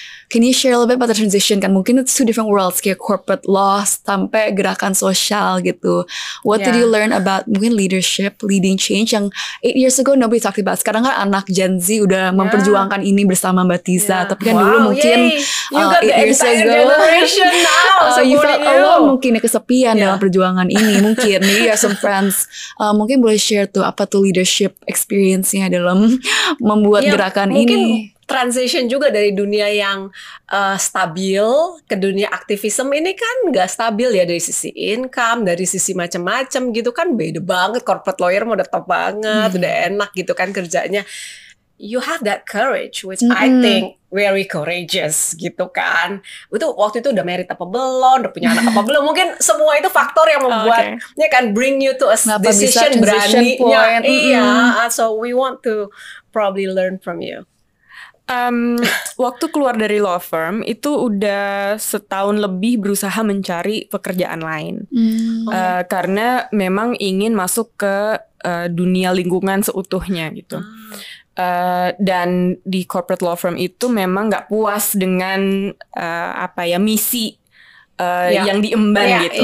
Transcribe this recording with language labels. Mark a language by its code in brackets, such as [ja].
[en] Can you share a little bit about the transition [id] kan? Mungkin [en] it's two different worlds, [id] kayak corporate law sampai gerakan sosial gitu. [en] What did you learn about [id] mungkin [en] leadership, leading change [id] yang [en] 8 years ago nobody talked about. [id] Sekarang kan anak Gen Z udah memperjuangkan ini bersama Mbak Tisa. Tapi kan dulu mungkin [en] 8 years ago, so you felt alone [id] mungkin kesepian dalam perjuangan ini. Mungkin, [en] maybe you have some friends. [id] Mungkin boleh share tuh apa tuh leadership experience-nya dalam membuat gerakan ini. Transition juga dari dunia yang stabil ke dunia aktivisme ini kan nggak stabil ya, dari sisi income, dari sisi macam-macam gitu kan, beda banget. Corporate lawyer mau udah top banget, udah enak gitu kan kerjanya. [en] You have that courage, which I think very courageous [id] gitu kan. Itu waktu itu udah married apa belum, udah punya anak apa belum. Mungkin semua itu faktor yang membuatnya kan [en] bring you to a decision [id] beraninya. [en] So we want to probably learn from you. [id] Waktu keluar dari law firm itu udah setahun lebih berusaha mencari pekerjaan lain. Karena memang ingin masuk ke dunia lingkungan seutuhnya gitu. Dan di corporate law firm itu memang gak puas dengan misi yang diemban gitu.